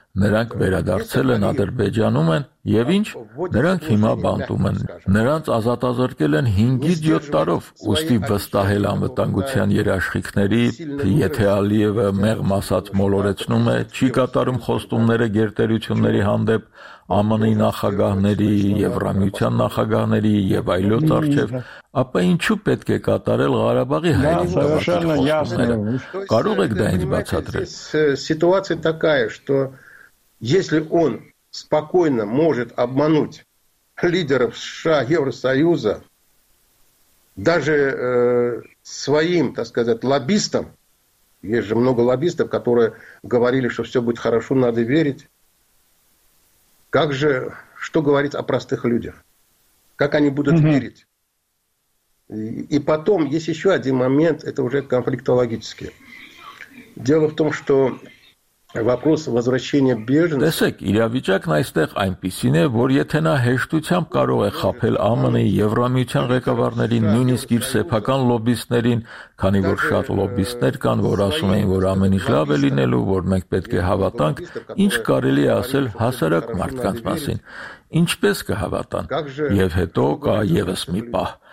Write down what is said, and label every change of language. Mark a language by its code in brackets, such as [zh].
[hy] Նրանք վերադարձել են Ադրբեջանում են եւ ինչ նրանք հիմա բանտում են նրանց ազատազրկել են 5-7 տարով ուստի վստահել անվտանգության երաշխիքների եթե Ալիևը մեղմ ասած մոլորեցնում է չի կատարում խոստումները գերտերությունների հանդեպ ԱՄՆ-ի նախագահների եվրամիության նախագահների եւ այլոց արչեվ ապա ինչու պետք է կատարել Ղարաբաղի հայաստանը կարող եք դա ինձ բացատրել [ru] սիտուացիա такая что Если он спокойно может обмануть лидеров США, Евросоюза, даже своим, так сказать, лоббистам, есть же много лоббистов, которые говорили, что все будет хорошо, надо верить. Как же, что говорить о простых людях? Как они будут верить? И потом, есть еще один момент, это уже конфликтологический. Дело в том, что Вопрос возвращения беженцев. [hy] Տեսեք, իրավիճակն այստեղ այնպիսին է, որ եթե նա հեշտությամբ կարող է խաբել ԱՄՆ-ի եվրամիության ղեկավարներին, նույնիսկ իր սեփական լոբիստներին, քանի որ շատ լոբիստներ կան, որ ասում են, որ ամեն ինչ լավ է լինելու, որ մենք պետք է հավատանք, ինչ կարելի է ասել հասարակ մարդկանց մասին։ Ինչպես կհավատան։ Եվ հետո կա եւս մի պահ։